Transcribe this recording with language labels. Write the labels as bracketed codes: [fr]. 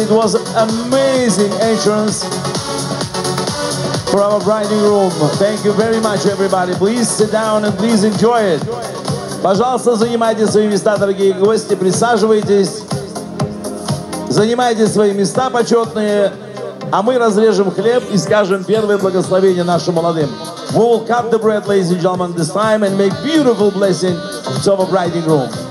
[en] It was an amazing entrance for our bridal room. Thank you very much, everybody. Please sit down and please enjoy it. [ru] Пожалуйста, занимайте свои места, дорогие гости. Присаживайтесь. Занимайте свои места почетные. А мы разрежем хлеб и скажем первое благословение нашим молодым. [en] We will cut the bread, ladies and gentlemen, this time and make beautiful blessing to our bridal room.